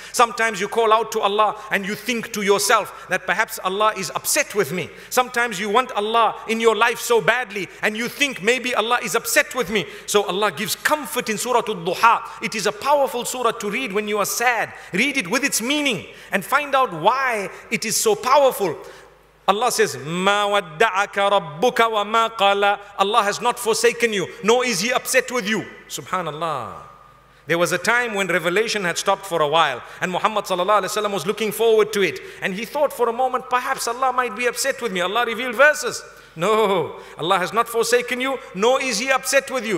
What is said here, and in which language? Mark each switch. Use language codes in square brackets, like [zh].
[en] Sometimes you call out to Allah and you think to yourself that perhaps Allah is upset with me. Sometimes you want Allah in your life so badly and you think maybe Allah is upset with me. So Allah gives comfort in Surah Al-Duha. It is a powerful surah to read when you are sad. Read it with its meaning and find out why it is so powerful. Allah says, [ar] مَا وَدَّعَكَ رَبُّكَ وَمَا قَالَ. [en] Allah has not forsaken you, nor is He upset with you. Subhanallah. There was a time when revelation had stopped for a while, and Muhammad sallallahu alayhi wa sallam was looking forward to it. And he thought for a moment, perhaps Allah might be upset with me. Allah revealed verses. No, Allah has not forsaken you, nor is He upset with you.